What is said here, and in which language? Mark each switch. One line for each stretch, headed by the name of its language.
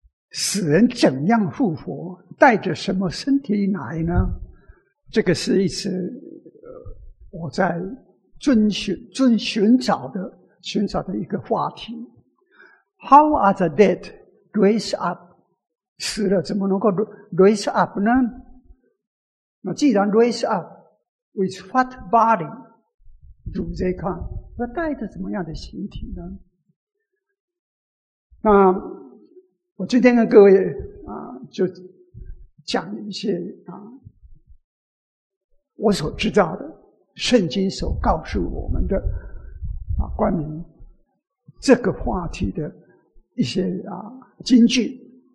Chinese: 死人怎样复活，带着什么身体来呢？这个是一直我在寻找的一个话题。
English: How are the dead raised up?
Chinese: 死了怎么能够 raise up 呢？那既然
English: raise up, with what body do they come?
Chinese: 要带着怎么样的形体呢？那我今天跟各位啊，就讲一些啊，我所知道的，圣经所告诉我们的啊，关于这个话题的一些啊经句。